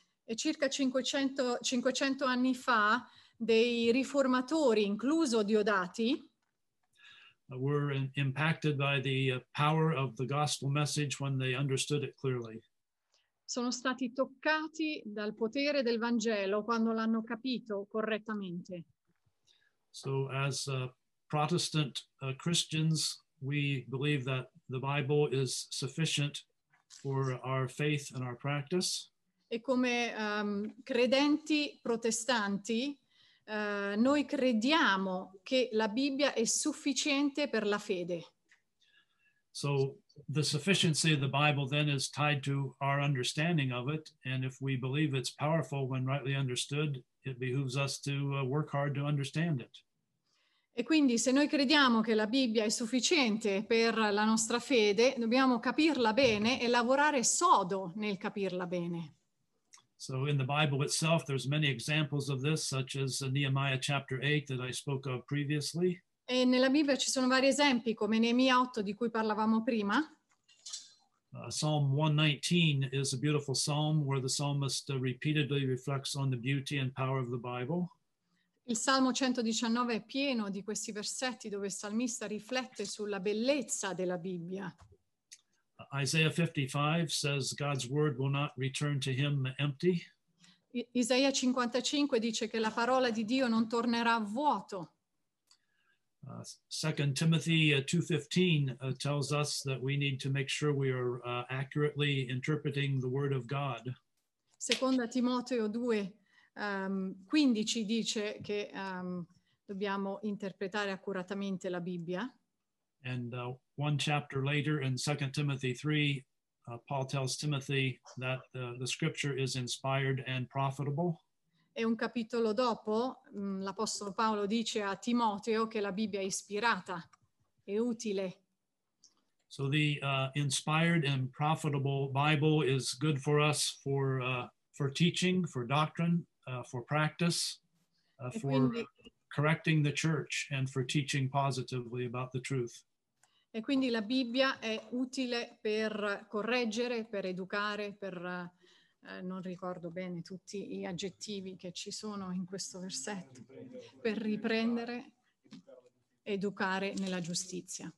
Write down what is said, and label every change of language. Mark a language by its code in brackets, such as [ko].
[it] E circa 500 anni fa, dei riformatori, incluso Diodati, [en] were impacted by the power of the gospel message when they understood it clearly. [it] Sono stati toccati dal potere del Vangelo quando l'hanno capito correttamente. [en] So as Protestant Christians, we believe that the Bible is sufficient for our faith and our practice. [it] E come credenti protestanti, noi crediamo che la Bibbia è sufficiente per la fede. [en] So the sufficiency of the Bible then is tied to our understanding of it, and if we believe it's powerful when rightly understood, it behooves us to work hard to understand it. [it] E quindi se noi crediamo che la Bibbia è sufficiente per la nostra fede, dobbiamo capirla bene e lavorare sodo nel capirla bene. [en] So in the Bible itself, there's many examples of this, such as Nehemiah chapter 8 that I spoke of previously. [it] E nella Bibbia ci sono vari esempi, come Neemia 8 di cui parlavamo prima. [en] Psalm 119 is a beautiful psalm where the psalmist repeatedly reflects on the beauty and power of the Bible. [it] Il Salmo 119 è pieno di questi versetti dove il salmista riflette sulla bellezza della Bibbia. [en] Isaiah 55 says God's word will not return to him empty. [it] Isaia 55 dice che la parola di Dio non tornerà vuoto. [en] 2 Timothy 2:15 tells us that we need to make sure we are accurately interpreting the word of God. [it] Seconda Timoteo 2 15 dice che dobbiamo interpretare accuratamente la Bibbia. [en] And one chapter later in 2 Timothy 3, Paul tells Timothy that the scripture is inspired and profitable. [it] E un capitolo dopo, l'Apostolo Paolo dice a Timoteo che la Bibbia è ispirata, è utile. [en] So the inspired and profitable Bible is good for us for teaching, for doctrine, for practice, for correcting the church and for teaching positively about the truth. [it] E quindi la Bibbia è utile per correggere, per educare, per non ricordo bene tutti gli aggettivi che ci sono in questo versetto, per riprendere, educare nella giustizia.